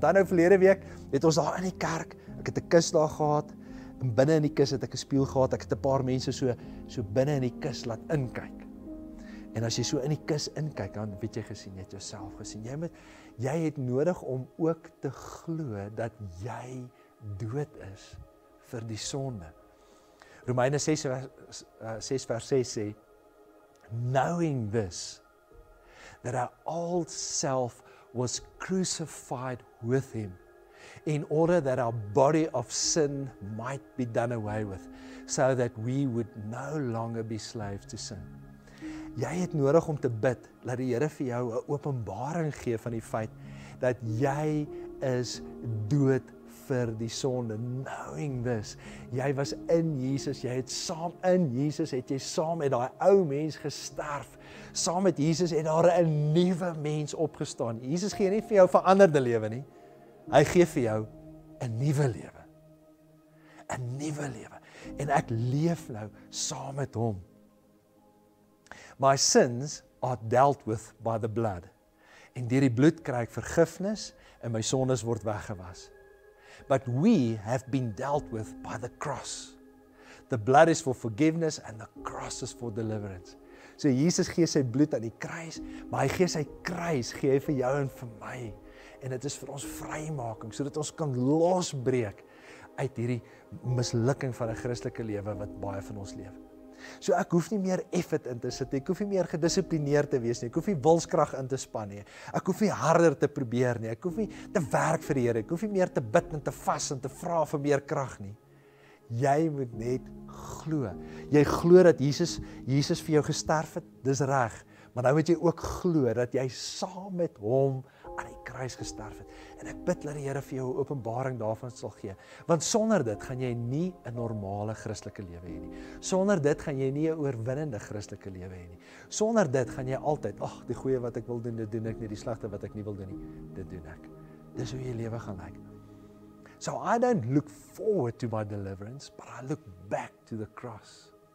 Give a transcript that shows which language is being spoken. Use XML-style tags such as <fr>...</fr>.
<af>Onthou nou verlede week het ons daar in die kerk, ek het 'n kus daar gehad, en binne in die kus het ek 'n spieël gehad, ek het 'n paar mense so binne in die kus laat inkyk. En as jy so in die kus inkyk, dan weet jy gesien, jy het jouself gesien. Jy het nodig om ook te glo dat jy dood is vir die sonde. Romeine 6 vers 6 sê,</af> <en>"Knowing this, that our old self was crucified with him, in order that our body of sin might be done away with, so that we would no longer be slaves to sin."</en> <af>Jy het nodig om te bid, laat die Here vir jou 'n openbaring gee van die feit dat jy is dood vir die sonde.</af> <en>Knowing this,</en> <af>jy was in Jesus, jy het saam in Jesus, het jy saam met daai ou mens gesterf. Saam met Jesus het daar 'n nuwe mens opgestaan. Jesus gee nie vir jou veranderde lewe nie. Hy gee vir jou 'n nuwe lewe. 'n Nuwe lewe. En ek leef nou saam met hom.</af> <en>"My sins are dealt with by the blood.</en> <af>En deur die bloed kry ek vergifnis en my sondes word weggewas.</af> <en>But we have been dealt with by the cross. The blood is for forgiveness and the cross is for deliverance."</en> <af>So Jesus gee sy bloed aan die kruis, maar hy gee sy kruis, gee hy vir jou en vir my. En dit is vir ons vrymaking, sodat ons kan losbreek uit hierdie mislukking van 'n Christelike lewe wat baie van ons leef. So ek hoef nie meer effort in te sit nie. Ek hoef nie meer gedissiplineerd te wees nie. Ek hoef nie wilskrag in te span nie. Ek hoef nie harder te probeer nie. Ek hoef nie te werk vir die Here. Ek hoef nie meer te bid en te vas en te vra vir meer krag nie. Jy moet net glo. Jy glo dat Jesus vir jou gesterf het. Dis reg. Maar nou moet jy ook glo dat jy saam met hom aan die kruis gesterf het. En ek bid dat die Here vir jou openbaring daarvan sal gee. Want sonder dit gaan jy nie 'n normale Christelike lewe hê nie. Sonder dit gaan jy nie 'n oorwinnende Christelike lewe hê nie. Sonder dit gaan jy altyd, ag, die goeie wat ek wil doen, dit doen ek nie, die slegte wat ek nie wil doen nie, dit doen ek. Dis hoe jy lewe gaan lyk.</af> <en>So I don't look forward to my deliverance, but I look back to the cross.</en>